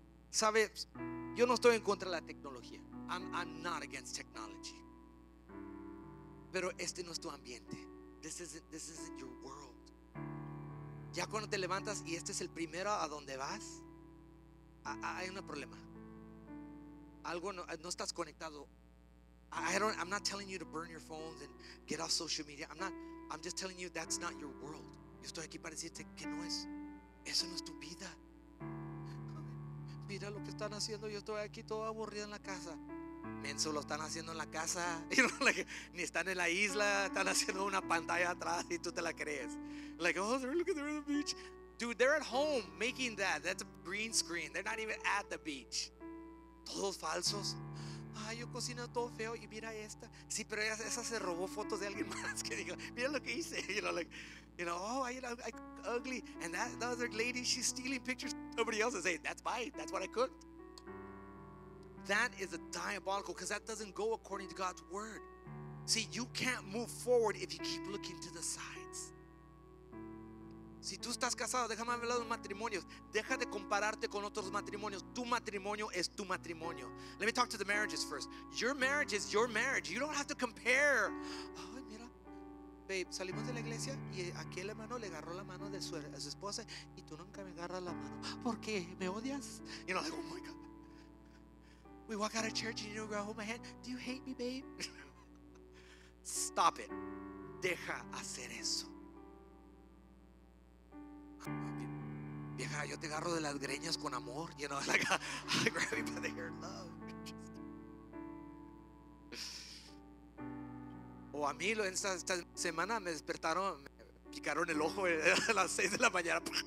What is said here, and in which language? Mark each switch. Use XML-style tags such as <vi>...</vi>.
<es>Sabes, yo no estoy en contra de la tecnología.</es> <en>I'm not against technology.</en> <es>Pero este no es tu ambiente.</es> <en>This isn't your world.</en> <es>Ya cuando te levantas y este es el primero a donde vas, hay un problema. Algo no estás conectado.</es> <en>I'm not telling you to burn your phones and get off social media. I'm just telling you that's not your world.</en> <es>Yo estoy aquí para decirte que no es. Eso no es tu vida. Mira lo que están haciendo. Yo estoy aquí todo aburrido en la casa. Menso, lo están haciendo en la casa. Ni están en la isla. Están haciendo una pantalla atrás y tú te la crees.</es> <en>Like, oh, they're at the beach. Dude, they're at home making that. That's a green screen. They're not even at the beach.</en> <es>Todos falsos. Ay, yo cocino todo feo y mira esta. Sí, pero esa se robó fotos de alguien más. Que digo, mira lo que hice.</es> <en>I ugly. And that other lady, she's stealing pictures. Nobody else is saying, that's mine. That's what I cooked. That is a diabolical, because that doesn't go according to God's word. See, you can't move forward if you keep looking to the sides.</en> <es>Si tú estás casado, déjame hablar de los matrimonios. Deja de compararte con otros matrimonios. Tu matrimonio es tu matrimonio.</es> <en>Let me talk to the marriages first. Your marriage is your marriage. You don't have to compare.</en> <es>Ay, mira, babe, salimos de la iglesia y aquel hermano le agarró la mano de su esposa y tú nunca me agarras la mano. ¿Por qué? ¿Me odias?</es> <en>You know, like, oh my God. We walk out of church and you don't grab hold my hand. Do you hate me, babe? Stop it.</en> <es>Deja hacer eso. Vieja, yo te agarro de las greñas con amor.</es> <en>You know, like I grab you by the hair, love.</en> <es>O a mí, esta semana me despertaron, me picaron el ojo a las 6 de la mañana.</es>